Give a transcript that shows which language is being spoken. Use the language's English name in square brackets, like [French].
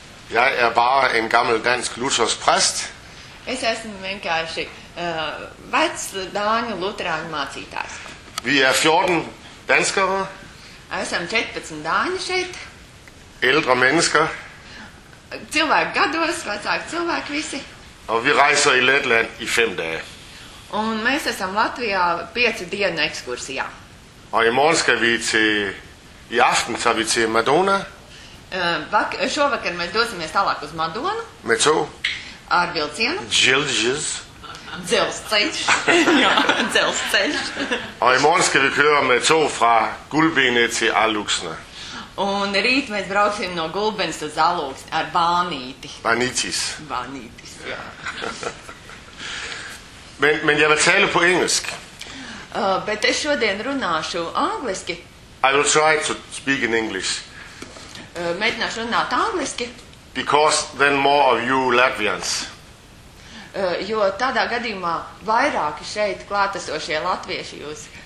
[Danish] Jeg er bare en gammel dansk luthersk præst. [Latvian] Es esmu vienkārši vec dāņu luterāņu mācītājs. [Danish] Vi er 14 danskere. [Latvian] Esam 14 dāņi šeit. [Danish] Ældre mennesker. [Latvian] Cilvēki gados, vecāki cilvēki visi. [Danish] Og vi rejser i Letland i 5 dage. [Latvian] Un mēs esam Latvijā 5 dienu ekskursijā. [Danish] Og i morgen skal vi til, i aften tager vi til Madonna. [Latvian] Šovakar mēs dosimies tālāk uz Madonu. [Danish] Med to. [Latvian] Ar vilcienu. Dzelzis. Dzelzceļš. Jo, dzelzceļš. [Danish] Og i morgen skal vi køre med to fra Gulbene til Aluksne. [Latvian] Un rīt mēs brauksim no Gulbens uz Aluksni ar Bānīti. Bānītis. Bānītis, jā. [Danish] men jeg vil tale på engelsk. [Latvian] Bet es šodien runāšu angliski. [English] I will try to speak in English. [Latvian] Mēģināšu runāt angliski. [English] Because then more of you Latvians. [Latvian] Jo tādā gadījumā vairāki šeit klātesošie latvieši jūs.